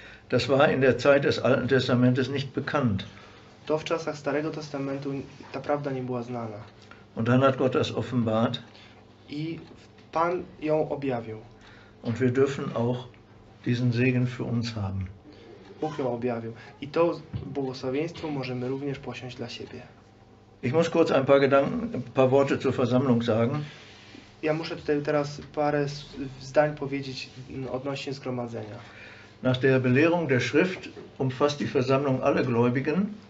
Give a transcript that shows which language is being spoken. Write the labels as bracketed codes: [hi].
[de] Das war in der Zeit des Alten Testamentes nicht bekannt. [pl] To w czasach Starego Testamentu ta prawda nie była znana. [de] Und dann hat Gott das offenbart. [pl] I Pan ją objawił. [de] Und wir dürfen auch diesen Segen für uns haben. [pl] Bóg ją objawił. I to błogosławieństwo możemy również posiąść dla siebie. [de] Ich muss kurz ein paar Worte zur Versammlung sagen. [pl] Ja muszę tutaj teraz parę zdań powiedzieć odnośnie zgromadzenia. [de] Nach der Belehrung der Schrift umfasst die Versammlung alle Gläubigen.